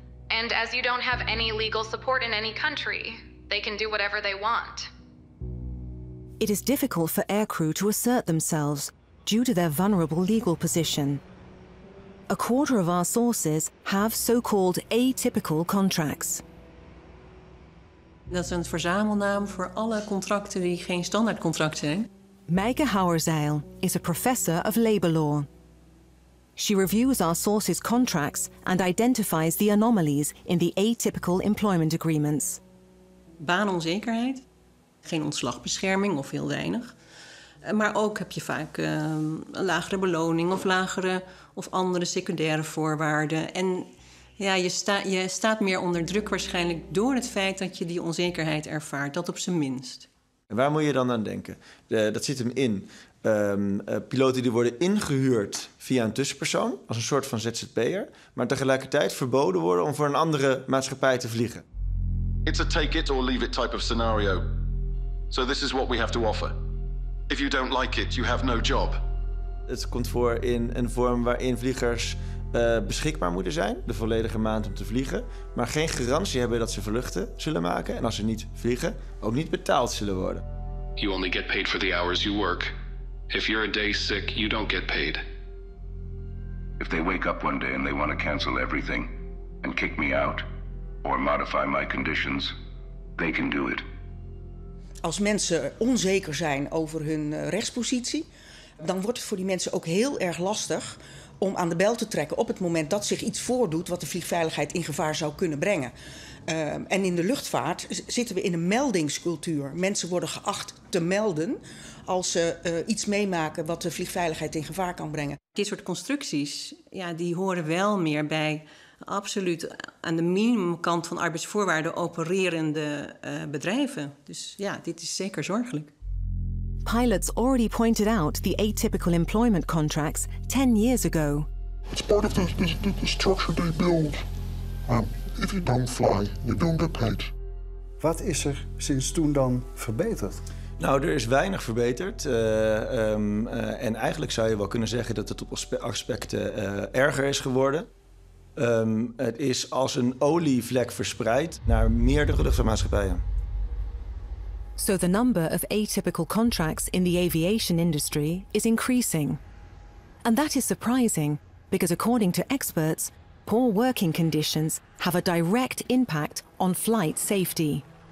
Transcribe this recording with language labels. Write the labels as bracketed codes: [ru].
[en] And as you don't have any legal support in any country, they can do whatever they want. It is difficult for aircrew to assert themselves due to their vulnerable legal position. A quarter of our sources have so-called atypical contracts. [nl] Dat is een verzamelnaam voor alle contracten die geen standaardcontracten zijn. [en] Meike Hauerzeil is a professor of labor law. She reviews our sources' contracts and identifies the anomalies in the atypical employment agreements. [nl] Baanonzekerheid, geen ontslagbescherming of heel weinig. Maar ook heb je vaak een lagere beloning of lagere of andere secundaire voorwaarden. En ja, je staat meer onder druk waarschijnlijk door het feit dat je die onzekerheid ervaart, dat op zijn minst. En waar moet je dan aan denken? Dat zit hem in. Piloten die worden ingehuurd via een tussenpersoon, als een soort van ZZP'er, maar tegelijkertijd verboden worden om voor een andere maatschappij te vliegen. [en] It's a take it or leave it type of scenario. So this is what we have to offer. If you don't like it, you have no job. [nl] Het komt voor in een vorm waarin vliegers beschikbaar moeten zijn, de volledige maand om te vliegen, maar geen garantie hebben dat ze vluchten zullen maken en als ze niet vliegen, ook niet betaald zullen worden. [en] You only get paid for the hours you work. If you're a day sick, you don't get paid. If they wake up one day and they want to cancel everything and kick me out or modify my conditions, they can do it. [nl] Als mensen onzeker zijn over hun rechtspositie, dan wordt het voor die mensen ook heel erg lastig om aan de bel te trekken op het moment dat zich iets voordoet wat de vliegveiligheid in gevaar zou kunnen brengen. En in de luchtvaart zitten we in een meldingscultuur. Mensen worden geacht te melden als ze iets meemaken wat de vliegveiligheid in gevaar kan brengen. Dit soort constructies, ja, die horen wel meer bij absoluut aan de minimumkant van arbeidsvoorwaarden opererende bedrijven. Dus ja, dit is zeker zorgelijk. [en] Pilots already pointed out the atypical employment contracts 10 years ago. It's part of the structure they build. If you don't fly, you don't get paid. [nl] Wat is er sinds toen dan verbeterd? Nou, er is weinig verbeterd. En eigenlijk zou je wel kunnen zeggen dat het op aspecten erger is geworden. Het is als een olievlek verspreid naar meerdere luchtvaartmaatschappijen. [en] So the number of atypical contracts in the aviation industry is increasing. And that is surprising, because according to experts, poor working conditions have a direct impact on flight safety.